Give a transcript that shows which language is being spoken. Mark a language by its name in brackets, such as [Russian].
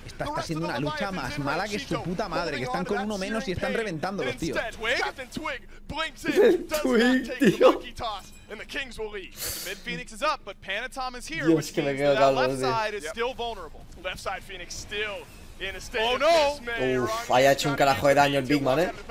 [Spanish] Esta está siendo una lucha más mala que su puta madre, que están con uno menos y están reventando los tíos. [English] Captain Twig blinks in, does not take the monkey toss, and the Kings will lead. The mid Phoenix is up, but Panatom is here, which means that the left side is still vulnerable. Left side Phoenix still in a state of dismay. [Spanish] Uff, ahí ha hecho un carajo de daño el Big Man, ¿eh?